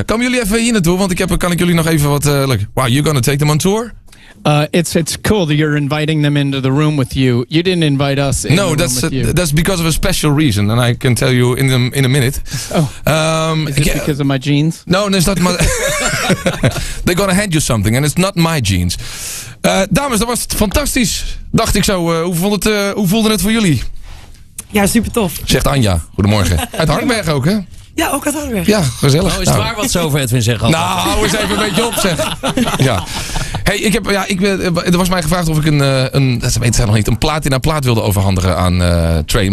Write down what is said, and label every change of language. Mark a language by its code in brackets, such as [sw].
[nl] Komen jullie even hier naartoe? Want kan ik jullie nog even wat... [en] Wow, you're gonna take them on tour? It's cool that you're inviting them into the room with you. You didn't invite us in No, that's because of a special reason, and I can tell you in a minute. Oh, because of my jeans? No, it's not my... They're gonna hand you something, and it's not my jeans. [nl] Dames, dat was fantastisch, dacht ik zo. Hoe voelde het voor jullie? Ja, super tof. Zegt Anja, goedemorgen. Uit Hardenberg ook, hè? Ja, ook uit Hardenberg. Ja, gezellig. Nou, is het waar wat ze over Edwin zeggen? Nou, hou eens even een beetje op, zeg. Ja. Hey, er was mij gevraagd of ik een plaat in een plaat wilde overhandigen aan Train.